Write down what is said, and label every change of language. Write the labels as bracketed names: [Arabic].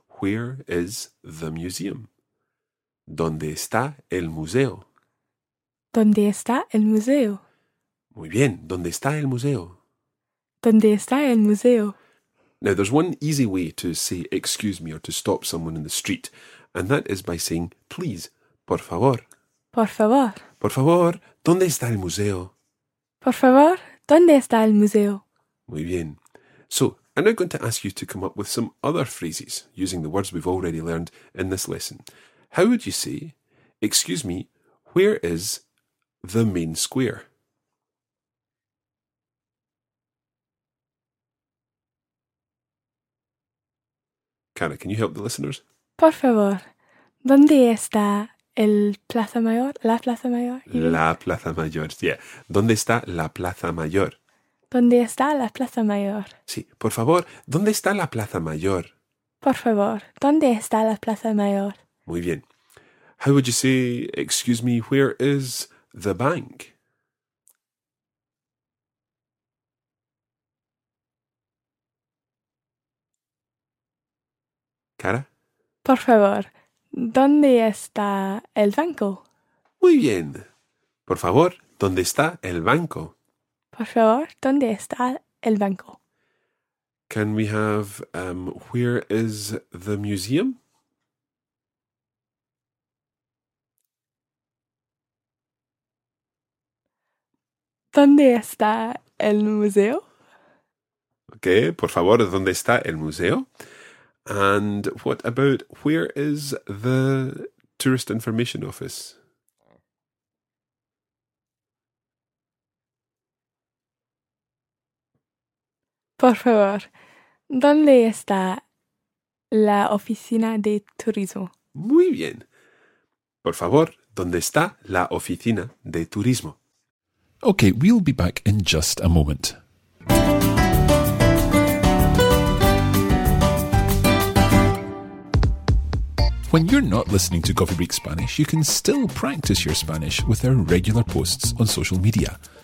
[English] Where is the museum? [Spanish] ¿Dónde está el museo? ¿Dónde está el museo? Muy bien. ¿Dónde está el museo? ¿Dónde está el museo? [English] Now, there's one easy way to say excuse me or to stop someone in the street, and that is by saying please, por favor. [Spanish] Por favor. Por favor, ¿dónde está el museo? Por favor, ¿dónde está el museo? Muy bien. [English] So, I'm now going to ask you to come up with some other phrases using the words we've already learned in this lesson. How would you say, excuse me, where is the main square? Cara, can you help the listeners? [Spanish] Por favor, ¿dónde está el Plaza Mayor? La Plaza Mayor. La Plaza Mayor, yeah. ¿Dónde está la Plaza Mayor? ¿Dónde está la Plaza Mayor? Sí, por favor, ¿dónde está la Plaza Mayor? Por favor, ¿dónde está la Plaza Mayor? Muy bien. [English] How would you say, excuse me, where is the bank? Cara? [Spanish] Por favor, ¿dónde está el banco? Muy bien. Por favor, ¿dónde está el banco? Por favor, ¿dónde está el banco? [English] Can we have, where is the museum? [Spanish] ¿Dónde está el museo? Okay, por favor, ¿dónde está el museo? [English] And what about, where is the tourist information office? [Spanish] Por favor, ¿dónde está la oficina de turismo? Muy bien. Por favor, ¿dónde está la oficina de turismo? [English] Okay, we'll be back in just a moment. When you're not listening to Coffee Break Spanish, you can still practice your Spanish with our regular posts on social media.